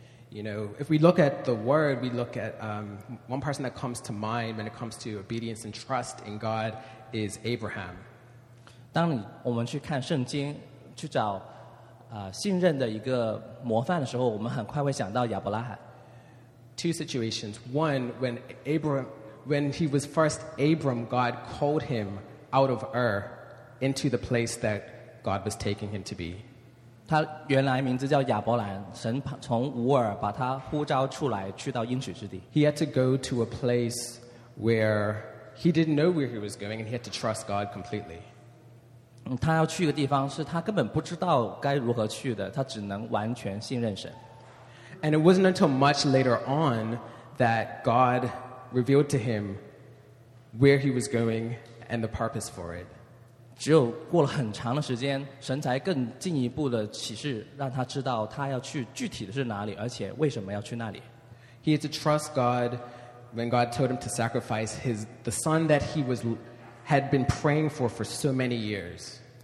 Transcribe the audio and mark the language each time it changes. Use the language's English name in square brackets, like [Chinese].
[English] You know, if we look at the word, we look at one person that comes to mind when it comes to obedience and trust in God is Abraham. [Chinese] 当我们去看圣经，去找信任的一个模范的时候，我们很快会想到亚伯拉罕。 [English] Two situations. One, when Abraham. When he was first Abram, God called him out of Ur into the place that God was taking him to be. [Chinese] 他原来名字叫亚伯兰，神从乌尔把他呼召出来，去到应许之地。 [English] He had to go to a place where He didn't know where he was going, and he had to trust God completely. [Chinese] 他要去一个地方是他根本不知道该如何去的，他只能完全信任神。 [English] And it wasn't until much later on that God revealed to him where he was going and the purpose for it. [Chinese] 只有过了很长的时间，神才更进一步的启示，让他知道他要去具体的是哪里，而且为什么要去那里。 [English] He had to trust God when God told him to sacrifice the son that he had been praying for so many years.